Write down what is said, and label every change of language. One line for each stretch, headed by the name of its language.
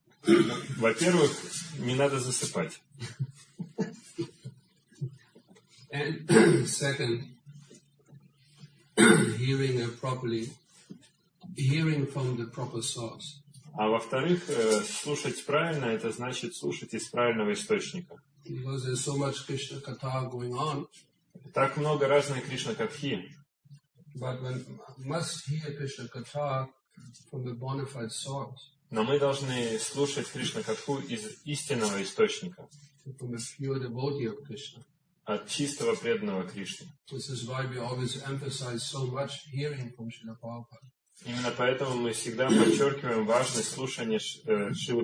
Russian: Во-первых, не надо засыпать.
English: And second, hearing properly, hearing from the proper source.
Russian: А во-вторых, слушать правильно, это значит слушать из правильного источника.
English: Because there's so much Krishna katha going on.
Russian: Так много разной Кришна катхи.
English: But we must hear Krishna katha from the bona fide source.
Russian: Но мы должны слушать Кришна катху из истинного источника.
English: From a pure devotee of Krishna.
Russian: От чистого преданного Кришны.
English: This is why we always emphasize so much hearing from Srila Prabhupada.
Russian: Именно поэтому мы всегда подчеркиваем важность слушания Шрилы